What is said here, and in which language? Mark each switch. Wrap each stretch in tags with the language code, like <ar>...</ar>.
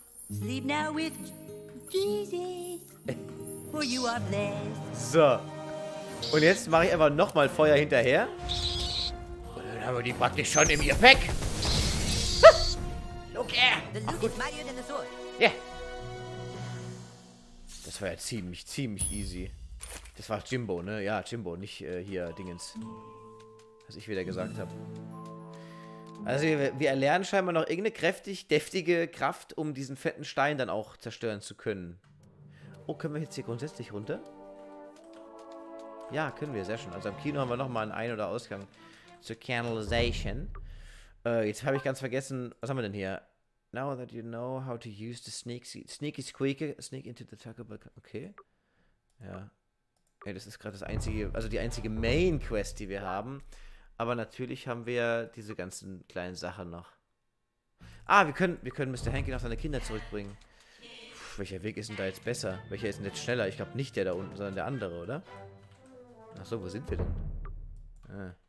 <en>Sleep now with Jesus, for you are blessed.</en> <de>So. Und jetzt mache ich einfach nochmal Feuer hinterher. Und dann haben wir die praktisch schon im Gepäck.</de> <en>Look at! The look is mightier than the sword. Yeah.</en> <de>Das war ja ziemlich easy. Das war Jimbo, ne? Ja, Jimbo, nicht hier Dingens. Was ich wieder gesagt habe. Also wir erlernen scheinbar noch irgendeine kräftig deftige Kraft, um diesen fetten Stein dann auch zerstören zu können. Oh, können wir jetzt hier grundsätzlich runter? Ja, können wir, sehr schön. Also am Kino haben wir nochmal einen Ein- oder Ausgang zur Canalization. Jetzt habe ich ganz vergessen, was haben wir denn hier?</de> <en>Now that you know how to use the sneaky squeaky, sneak into the tuckable.</en> <de>Okay. Ja. Ja, das ist gerade die einzige Main Quest, die wir haben. Aber natürlich haben wir diese ganzen kleinen Sachen noch. Ah, wir können Mr. Hankey noch seine Kinder zurückbringen. Puh, welcher Weg ist denn da jetzt besser? Welcher ist denn jetzt schneller? Ich glaube nicht der da unten, sondern der andere, oder? Achso, wo sind wir denn?</de>